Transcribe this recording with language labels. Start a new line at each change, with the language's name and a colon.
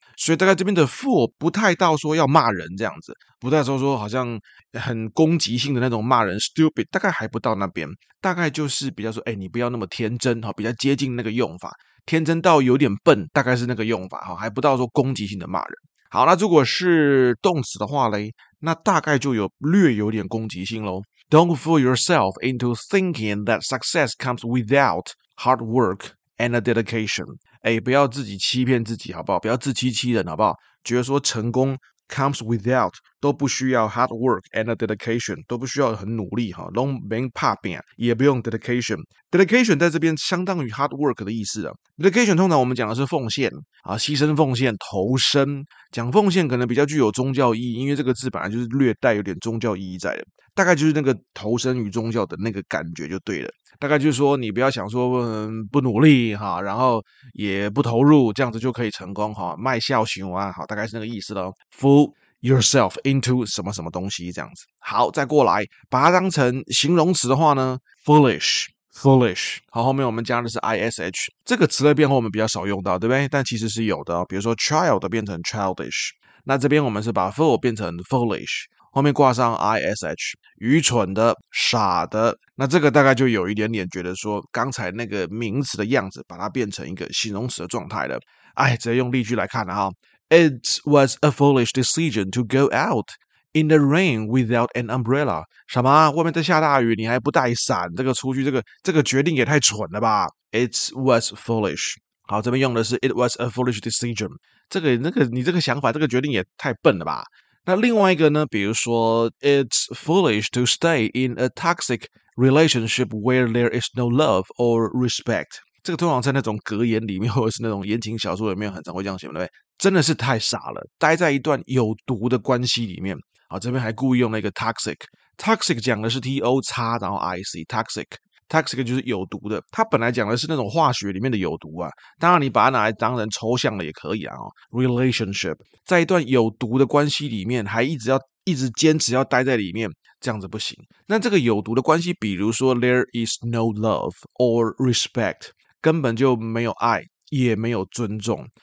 Chinese: 所以大概这边的 fool 不太到说要骂人这样子，不太说好像很攻击性的那种骂人 stupid， 大概还不到那边，大概就是比较说，哎，你不要那么天真，比较接近那个用法，天真到有点笨，大概是那个用法，还不到说攻击性的骂人。好，那如果是动词的话咧，那大概就有略有点攻击性咯。
English: Don't fool yourself into thinking that success comes without hard work and a dedication。
Chinese: 哎，不要自己欺骗自己，好不好？不要自欺欺人，好不好？觉得说成功
English: comes without
Chinese: 都不需要
English: hard work and a dedication，
Chinese: 都不需要很努力哈。 Long being popping 也不用 dedication。 dedication 在这边相当于 hard work 的意思啊。dedication 通常我们讲的是奉献啊，牺牲、奉献、投身。讲奉献可能比较具有宗教意义，因为这个字本来就是略带有点宗教意义在的，大概就是那个投身于宗教的那个感觉就对了。大概就是说你不要想说、不努力哈，然后也不投入，这样子就可以成功哈，卖孝行啊，好，大概是那个意思咯。
English: fool yourself into
Chinese: 什么什么东西这样子。好，再过来把它当成形容词的话呢， foolish。 Foolish， 好，后面我们加的是 ish， 这个词的变化我们比较少用到，对不对？但其实是有的，比如说 child 变成 childish， 那这边我们是把 fool 变成 foolish， 后面挂上 ish， 愚蠢的、傻的，那这个大概就有一点点觉得说，刚才那个名词的样子，把它变成一个形容词的状态了。哎，直接用例句来看了哈
English: ，It was a foolish decision to go out。 In the rain without an umbrella， 什么？
Chinese: 外面在下大雨，你还不带伞？这个出去，这个决定也太蠢了吧 ！
English: It was foolish。
Chinese: 好，这边用的是
English: It was a foolish decision。
Chinese: 这个那个你这个想法，这个决定也太笨了吧？那另外一个呢？比如说
English: ，It's foolish to stay in a toxic relationship where there is no love or respect。
Chinese: 这个通常在那种格言里面，或者是那种言情小说里面，很常会这样写，对不对？真的是太傻了，待在一段有毒的关系里面。好，这边还故意用了一个 toxic， toxic 讲的是 T O X 然后 I C， toxic， toxic 就是有毒的，它本来讲的是那种化学里面的有毒啊，当然你把它拿来当成抽象的也可以啊、哦、relationship 在一段有毒的关系里面还一直坚持要待在里面，这样子不行。那这个有毒的关系比如说
English: there is no love or respect，
Chinese: 根本就没有爱也没有尊重。